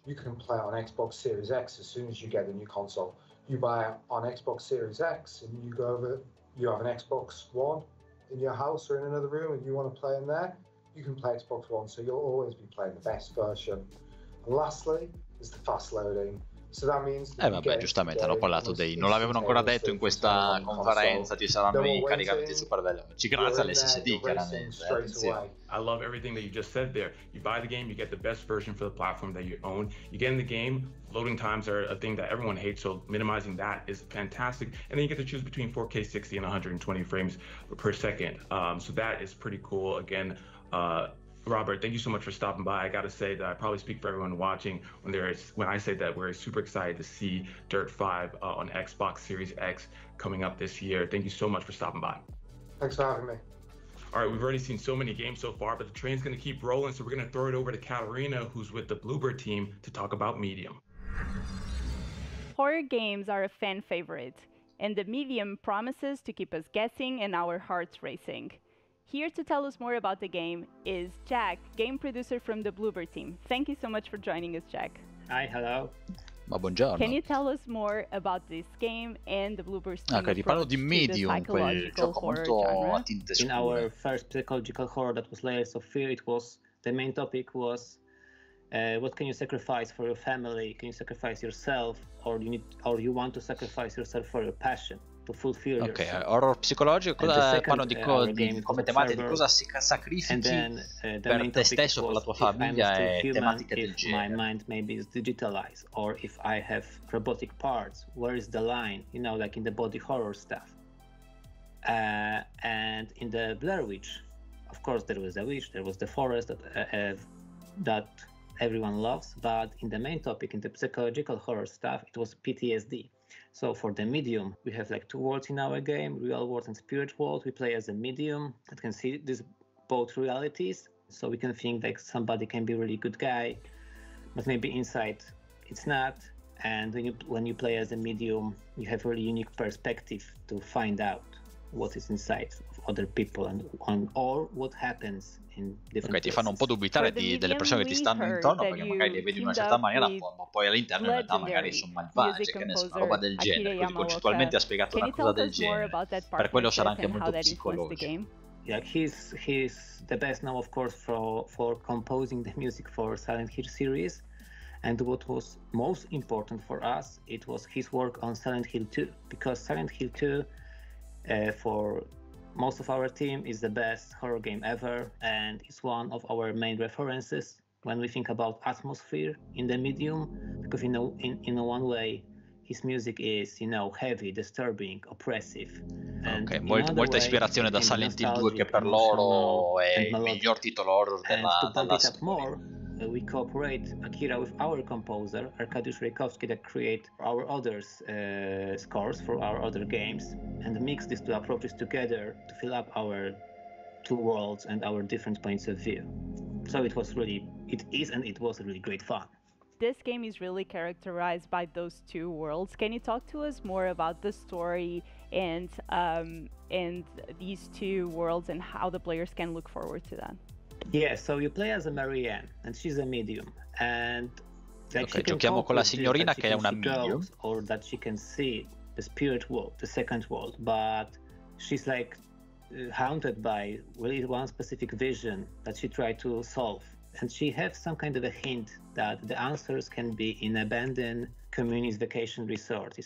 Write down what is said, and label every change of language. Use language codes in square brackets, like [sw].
[en] You can play on Xbox Series X as soon as you get a new console. You buy on Xbox Series X and you go over, you have an Xbox One in your house or in another room and you want to play in there, you can play Xbox One, so you'll always be playing the best version. And lastly is the fast loading. So that means that [it] giustamente hanno parlato dei, non l'avevano ancora detto in questa conferenza, ci saranno i caricamenti super veloci grazie all'SSD chiaramente. [en] I love everything that you just said there. You buy the game, you get the best version for the platform that you own. You get in the game, loading times are a thing that everyone hates, so minimizing that is fantastic. And then you get to choose between 4K 60 and 120 frames per second. So that is pretty cool. Again, Robert, thank you so much for stopping by. I gotta say that I probably speak for everyone watching when I say that we're super excited to see Dirt 5 on Xbox Series X coming up this year. Thank you so much for stopping by. Thanks for having me. All right, we've already seen so many games so far, but the train's gonna keep rolling, so we're gonna throw it over to Katarina, who's with the Bluebird team, to talk about Medium. Horror games are a fan favorite, and the Medium promises to keep us guessing and our hearts racing. Here to tell us more about the game is Jack, game producer from the Bluebird team. Thank you so much for joining us, Jack. Hi, hello. [it] Ma buongiorno. [en] Can you tell us more about this game and the Bluebird team? [it] Ok, ti parlo di Medium, quel gioco molto a tinte scure. [en] In our first psychological horror that was Layers of Fear, the main topic was what can you sacrifice for your family? Can you sacrifice yourself? Or you want to sacrifice yourself for your passion? To fulfill [it] ok, horror psicologico, cosa parlo di come tematica di cosa si sacrifichi per te stesso, per la tua famiglia e tematiche del genere. [en] My mind maybe is digitalized or if I have robotic parts, where is the line? You know, like in the body horror stuff. And in the Blair Witch, of course there was the witch, there was the forest that everyone loves, but in the main topic, in the psychological horror stuff, it was PTSD. So for the medium, we have like two worlds in our game, real world and spirit world. We play as a medium that can see these both realities. So we can think like somebody can be a really good guy, but maybe inside it's not. And when you play as a medium, you have a really unique perspective to find out what is inside of other people and or what happens in different [it] ti fanno un po' dubitare delle persone che ti stanno intorno perché magari li vedi in una certa maniera ma poi all'interno in realtà magari sono malvagi, che ne so, una roba del genere. Akira così concettualmente ha spiegato una cosa del genere, per quello sarà anche molto psicologico. [en] Yeah, he's the best now of course for composing the music for Silent Hill series, and what was most important for us, it was his work on Silent Hill 2, because Silent Hill 2 for most of our team is the best horror game ever, and it's one of our main references when we think about atmosphere in the medium, because in one way his music is, you know, heavy, disturbing, oppressive. [it] And okay, molta ispirazione da Silent Hill 2, che per loro è il miglior titolo horror della storia. [en] We cooperate Akira with our composer Arkadiusz Rejkowski that create our others scores for our other games and mix these two approaches together to fill up our two worlds and our different points of view. So it was really great fun. This game is really characterized by those two worlds. Can you talk to us more about the story and these two worlds and how the players can look forward to that? Yeah, so you play as a Marianne, and she's a medium, and [it] like, okay, giochiamo con la signorina che è una medium, [en] or that she can see the spirit world, the second world, but she's like haunted by really one specific vision that she tried to solve, and she has some kind of a hint that the answers can be in abandoned community vacation resort.